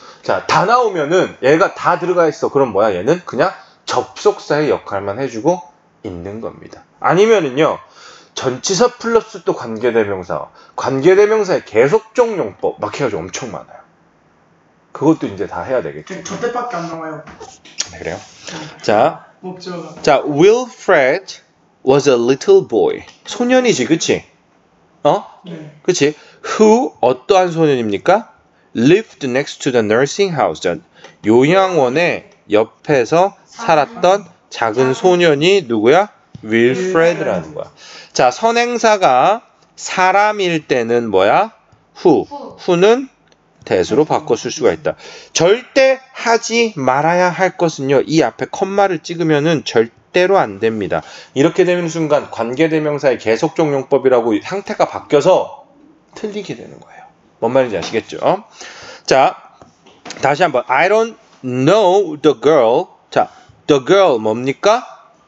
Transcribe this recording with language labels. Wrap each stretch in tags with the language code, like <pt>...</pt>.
<ko>자, 다 나오면은 얘가 다 들어가 있어. 그럼 뭐야? 얘는 그냥 접속사의 역할만 해주고 있는 겁니다. 아니면은요, 전치사 플러스 또 관계대명사, 관계대명사의 계속적 용법, 막 해가지고 엄청 많아요. 그것도 이제 다 해야 되겠지. 저 때밖에 안 나와요. 그래요? 목적어가.</ko> <en>자, Wilfred was a little boy.</en> <ko>소년이지, 그치? 어? 네. 그치? Who, 어떠한 소년입니까?</ko> <en>lived next to the nursing house.</en> <ko>요양원에 옆에서 살았던 작은 소년이 누구야? 윌프레드라는 거야. 자, 선행사가 사람일 때는 뭐야?</ko> <en>Who.</en> <ko>Who는 대수로 바꿔 쓸 수가 있다. 절대 하지 말아야 할 것은요. 이 앞에 콤마를 찍으면은 절대로 안 됩니다. 이렇게 되는 순간 관계대명사의 계속적 용법이라고 상태가 바뀌어서 틀리게 되는 거예요. 뭔 말인지 아시겠죠? 자, 다시 한번.</ko> <en>I don't know the girl. 자, the girl</en> <ko>뭡니까?</ko>